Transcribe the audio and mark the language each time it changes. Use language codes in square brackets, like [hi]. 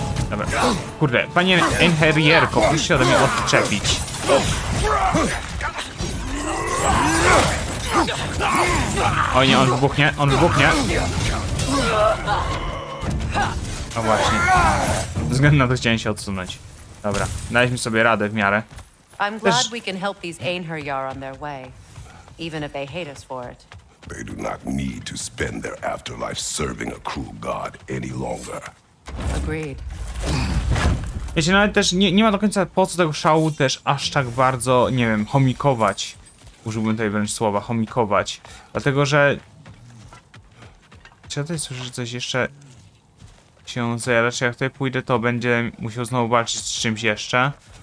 [pl] Dobra. Kurde, panie Enherierko, musisz się ode mnie odczepić. O nie, on wybuchnie, on wybuchnie. O właśnie. Ze względu na to chciałem się odsunąć. Dobra, daliśmy sobie radę w miarę. [en] I'm glad we can help these Ainher Yar on their way, even if they hate us for it. They do not need to spend their afterlife serving a cruel god any longer. Agreed. [pl] Wiecie, nawet też nie ma do końca po co tego szału też aż tak bardzo, nie wiem, chomikować. Użyłbym tutaj wręcz słowa chomikować. Dlatego, że... Czy ja tutaj słyszę, że coś jeszcze się zajada? Czy jak tutaj pójdę, to będę musiał znowu walczyć z czymś jeszcze?